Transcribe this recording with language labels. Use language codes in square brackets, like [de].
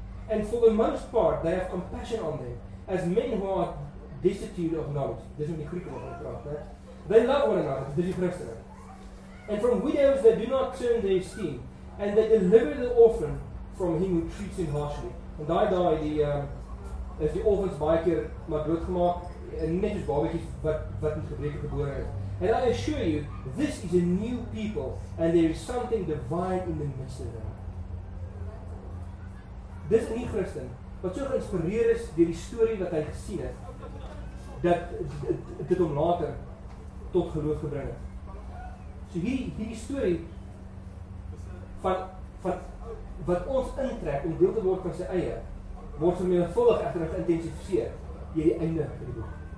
[en] And for the most part, they have compassion on them, as men who are destitute of knowledge. This is the Greek word, right? They love one another, this is Christian. And from widows they do not turn their esteem, and they deliver the orphan from him who treats him harshly. [af] En daai daai die is die orphans baie keer maar doodgemaak en net soos babatjies wat in gebreke gebore is. [en] And I assure you, this is a new people, and there is something divine in the midst of them. [af] Dis 'n nuwe Christen wat so geïnspireer is deur die storie wat hy gesien het dat dit hom later tot geloof gebring het. So hierdie storie wat ons intrek om deel te word van sy eie, word vermenigvuldig egter geïntensifiseer hier die einde van die boek.